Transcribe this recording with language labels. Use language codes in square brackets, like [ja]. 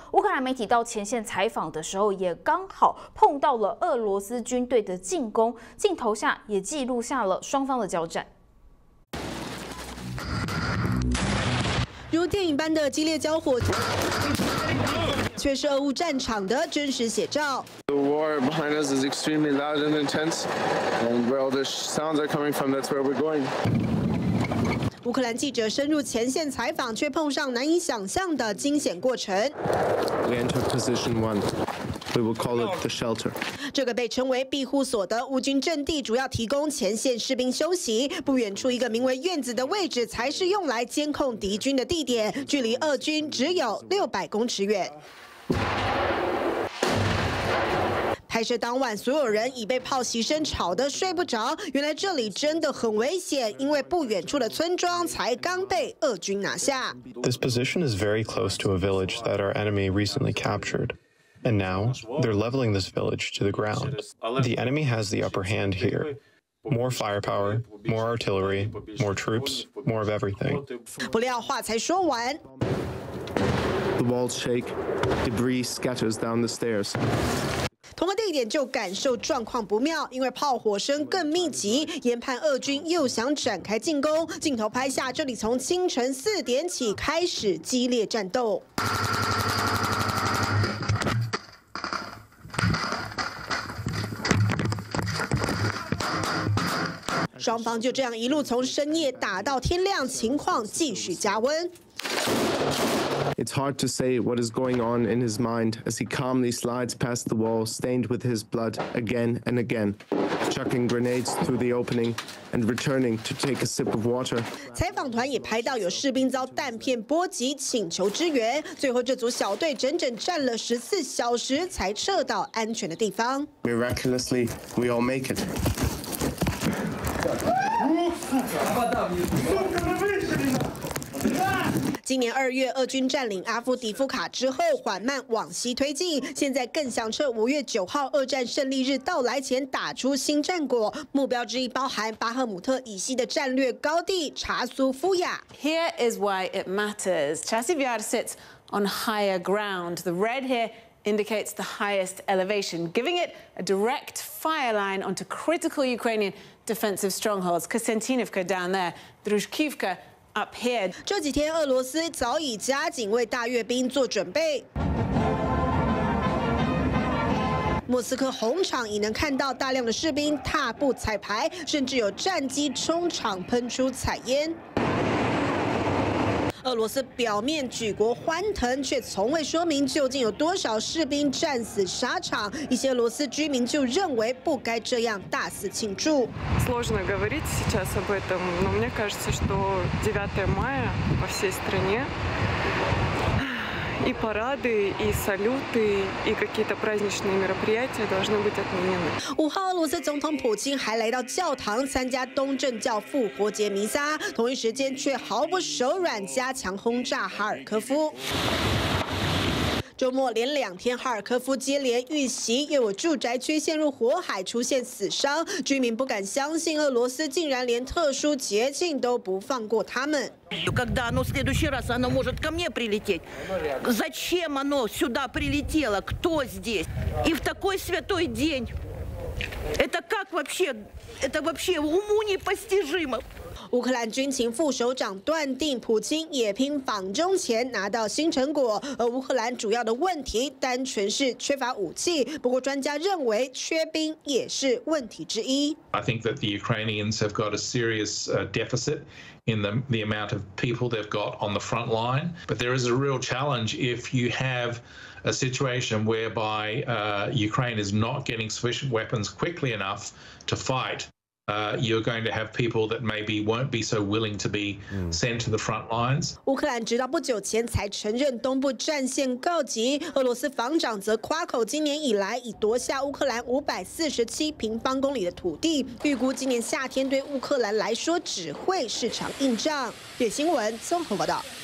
[zh] 乌克兰媒体到前线采访的时候，也刚好碰到了俄罗斯军队的进攻，镜头下也记录下了双方的交战。如电影般的激烈交火，却是俄乌战场的真实写照。 [en] The war behind us is extremely loud and intense, and where all the sounds are coming from, that's where we're going. [zh] 乌克兰记者深入前线采访，却碰上难以想象的惊险过程。 [en] We entered position one. We will call it the shelter. [zh] 这个被称为庇护所的乌军阵地，主要提供前线士兵休息。不远处一个名为院子的位置，才是用来监控敌军的地点，距离俄军只有600公尺远。拍摄当晚，所有人已被炮袭声吵得睡不着。原来这里真的很危险，因为不远处的村庄才刚被俄军拿下。 [en] This position is very close to a village that our enemy recently captured, and now they're leveling this village to the ground. The enemy has the upper hand here. More firepower, more artillery, more troops, more of everything. [zh] 不料话才说完 [en] ，The walls shake, debris scatters down the stairs. [zh] 同个地点就感受状况不妙，因为炮火声更密集，研判俄军又想展开进攻。镜头拍下这里，从清晨4点起开始激烈战斗。双方就这样一路从深夜打到天亮，情况继续加温。 [en] It's hard to say what is going on in his mind as he calmly slides past the wall stained with his blood again and again, chucking grenades through the opening and returning to take a sip of water. [zh] 采访团也拍到有士兵遭弹片波及，请求支援。最后，这组小队整整站了14小时才撤到安全的地方。 [en] Miraculously, we all make it. [zh] 今年二月，俄军占领阿夫迪夫卡之后，缓慢往西推进，现在更想趁5月9号二战胜利日到来前打出新战果。目标之一包含巴赫姆特以西的战略高地查苏夫亚。 [en] Here is why it matters. Chasiviar sits on higher ground. The red here indicates the highest elevation, giving it a direct fire line onto critical Ukrainian defensive strongholds. Kostantinovka down there, Druzhkivka. Up here. [zh] 这几天，俄罗斯早已加紧为大阅兵做准备。莫斯科红场已能看到大量的士兵踏步彩排，甚至有战机冲场喷出彩烟。俄罗斯表面举国欢腾，却从未说明究竟有多少士兵战死沙场。一些俄罗斯居民就认为不该这样大肆庆祝。 [ru] Сложно говорить сейчас об этом, но мне кажется, что 9 мая во всей стране и парады, и салюты, и какие-то праздничные мероприятия должны быть отменены. [zh] 5号，俄罗斯总统普京还来到教堂参加东正教复活节弥撒，同一时间却毫不手软加强轰炸哈尔科夫。周末连两天，哈尔科夫接连遇袭，又有住宅区陷入火海，出现死伤，居民不敢相信俄罗斯竟然连特殊节庆都不放过他们。 [ru] Когда оно в следующий раз оно может ко мне прилететь? Зачем оно сюда прилетело? Кто здесь? И в такой святой день? Это как вообще? Это вообще уму непостижимо. [zh] 乌克兰军情副首长断定，普京也拼访中前拿到新成果。而乌克兰主要的问题单纯是缺乏武器，不过专家认为缺兵也是问题之一。 [en] I think that the Ukrainians have got a serious deficit in the amount of people they've got on the front line. But there is a real challenge if you have a situation whereby Ukraine is not getting sufficient weapons quickly enough to fight. You're going to have people that maybe won't be so willing to be sent to the front lines. [zh] 乌克兰直到不久前才承认东部战线告急。俄罗斯防长则夸口，今年以来已夺下乌克兰547平方公里的土地，预估今年夏天对乌克兰来说只会是场硬仗。点新闻综合报道。